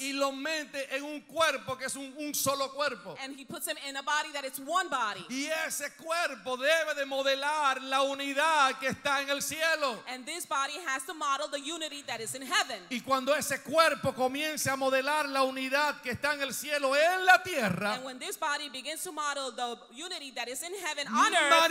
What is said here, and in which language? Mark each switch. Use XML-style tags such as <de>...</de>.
<es>Y lo mete en un cuerpo que es un solo cuerpo.</es> <en>And he puts them in a body that it's one body.</en> <es>Y ese cuerpo debe de modelar la unidad que está en el cielo.</es> <en>And this body has to model the unity that is in heaven.</en> <es>Y cuando ese cuerpo comience a modelar la unidad que está en el cielo en la tierra.</es> <en>And when this body begins to model the unity that is in heaven on earth.</en>